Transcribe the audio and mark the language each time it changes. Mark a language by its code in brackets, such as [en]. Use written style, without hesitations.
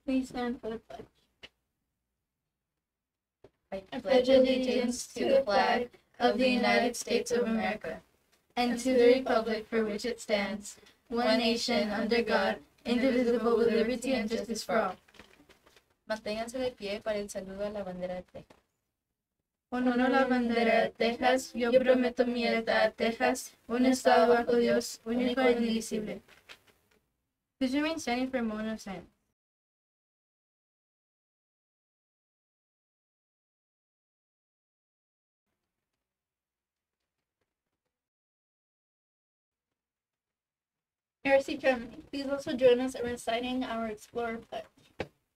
[en] Please stand for the pledge. I pledge allegiance to the flag of the United States of America and to the republic for which it stands, one nation under God, indivisible, with liberty and justice for all. [es] Manténganse de pie para el saludo a la bandera de Texas. Honoro la bandera de Texas, yo prometo mi lealtad a Texas, un estado bajo Dios, único e indivisible. [en] Please remain standing for a moment of silence. ARC Germany, please also join us in reciting our Explorer Pledge.